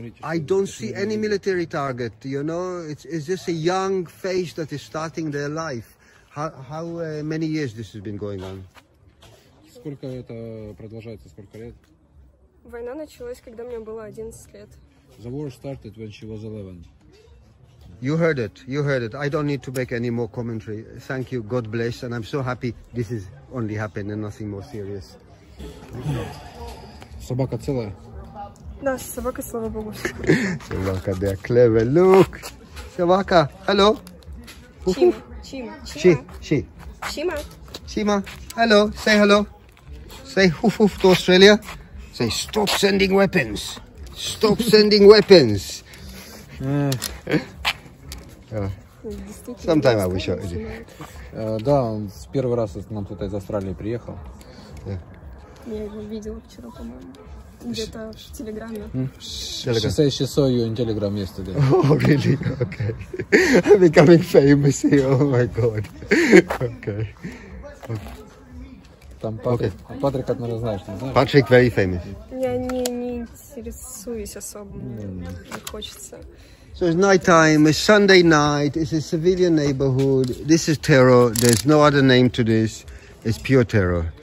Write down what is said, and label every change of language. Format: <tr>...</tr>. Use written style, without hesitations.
<en>I don't see any military target, you know? It's just a young face that is starting their life. How many years this has been going on?</en> <ru>Сколько это продолжается, сколько лет? Война началась, когда мне было 11 лет.</ru> <en>The war started when she was 11. You heard it. You heard it. I don't need to make any more commentary. Thank you. God bless. And I'm so happy this is only happened and nothing more serious.</en> <ru>Собака целая? Да, собака, слава богу.</ru> <en>Собака, they are clever. Look. Собака. Hello. Chima. Hello. Say hello. Say hoof hoof to Australia. Say stop sending weapons. Stop sending weapons. Sometime I wish I was.</en> <ru>Да, он с первого раза к нам туда из Австралии приехал. Я его видел вчера, по-моему. Где-то в Телеграме.</ru> <en>She says she saw you in Telegram yesterday. Oh, really? Okay. I'm becoming famous here. Oh, my God. Okay.</en> <ru>Там Патрик. Okay. Патрик, как надо знаешь, не знаешь?</ru> <en>Патрик very famous.</en> <ru>Я не интересуюсь особо, мне не хочется.</ru> <en>So it's night time, it's Sunday night, it's a civilian neighborhood, this is terror, there's no other name to this, it's pure terror.</en>